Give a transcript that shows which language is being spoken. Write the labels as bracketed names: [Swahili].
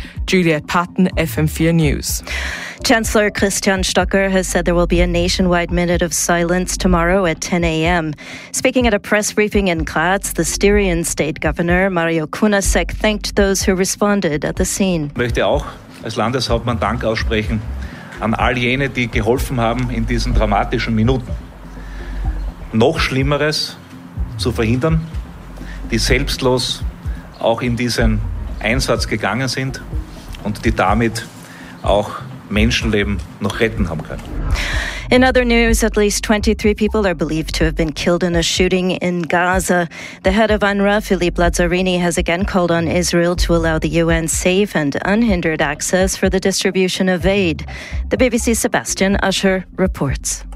[English] Juliette Patton, FM4 News. Chancellor Christian Stocker has said there will be a nationwide minute of silence tomorrow at 10 a.m. Speaking at a press briefing in Graz, the Styrian state governor, Mario Kunasek, thanked those who responded at the scene. [German] Ich möchte auch als Landeshauptmann Dank aussprechen an all jene, die geholfen haben in diesen dramatischen Minuten. Noch Schlimmeres zu verhindern, die selbstlos auch in diesen Einsatz gegangen sind und die damit auch Menschenleben noch retten haben können. [English] In other news, at least 23 people are believed to have been killed in a shooting in Gaza. The head of UNRWA, Philippe Lazzarini, has again called on Israel to allow the UN safe and unhindered access for the distribution of aid. The BBC's Sebastian Usher reports.